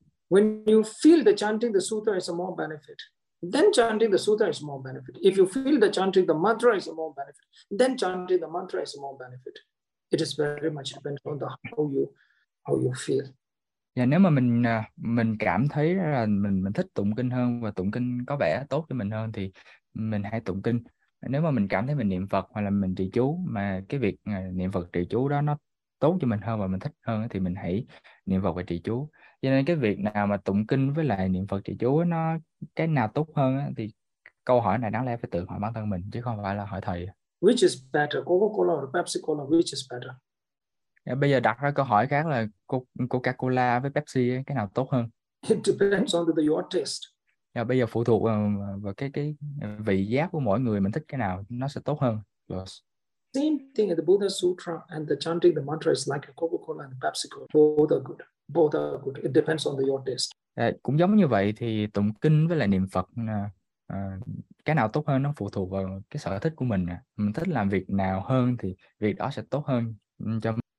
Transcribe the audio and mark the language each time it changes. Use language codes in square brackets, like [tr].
[en] When you feel the chanting the sutra is a more benefit. Then chanting the sutra is more benefit. If you feel that chanting the mantra is more benefit, then chanting the mantra is more benefit. It is very much depends on the how you feel. [vi] Yeah, nếu mà mình cảm thấy là mình thích tụng kinh hơn và tụng kinh có vẻ tốt cho mình hơn thì mình hãy tụng kinh. Nếu mà mình cảm thấy mình niệm Phật hoặc là mình trì chú mà cái việc niệm Phật trì chú đó nó tốt cho mình hơn và mình thích hơn thì mình hãy niệm Phật và trì chú. Cho nên cái việc nào mà tụng kinh với lại niệm Phật trì chú nó cái nào tốt hơn á, thì câu hỏi này đáng lẽ phải tự hỏi bản thân mình chứ không phải là hỏi thầy. [en] Which is better, Coca-Cola or Pepsi-Cola, which is better? [vi] Bây giờ đặt ra câu hỏi khác là Coca-Cola với Pepsi cái nào tốt hơn? [en] It depends on your taste. [vi] Yeah, bây giờ phụ thuộc vào cái vị giác của mỗi người mình thích cái nào nó sẽ tốt hơn. [en] Yes. Same thing in the Buddha Sutra and the chanting the mantra is like Coca-Cola and Pepsi-Cola. Both are good. Both are good. It depends on your taste. [vi] Cũng giống như vậy thì tụng kinh với lại niệm Phật cái nào tốt hơn nó phụ thuộc vào cái sở thích của mình. Mình thích làm việc nào hơn thì việc đó sẽ tốt hơn cho mình.